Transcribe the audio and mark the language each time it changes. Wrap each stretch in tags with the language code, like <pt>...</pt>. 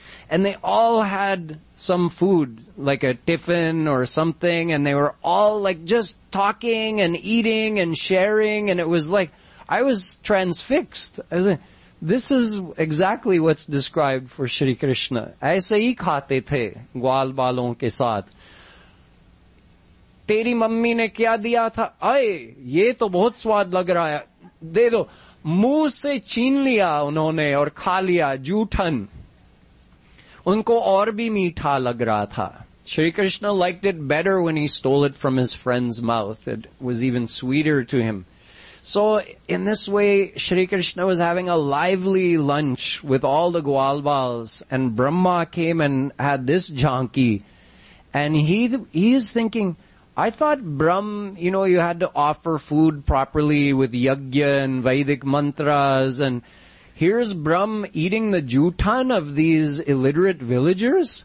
<en>And they all had some food, like a tiffin or something, and they were all like just talking and eating and sharing, and it was like, I was transfixed. I was like, this is exactly what's described for Shri Krishna.</en> <hi>Aise hi khate the Gwalbalon ke saath. तेरी mummy ने क्या दिया था आए ये तो बहुत स्वाद लग रहा है दे दो मुंह से छीन लिया उन्होंने और खा लिया जूठन उनको और भी मीठा लग रहा था Shri Krishna</hi> <en>liked it better when he stole it from his friend's mouth. It was even sweeter to him. So in this way, Shri Krishna was having a lively lunch with all the Gwalbals, and Brahma came and had this janki, and he is thinking, I thought you know, you had to offer food properly with yajna and Vedic mantras, and here's Brahm eating the jutan of these illiterate villagers?</en>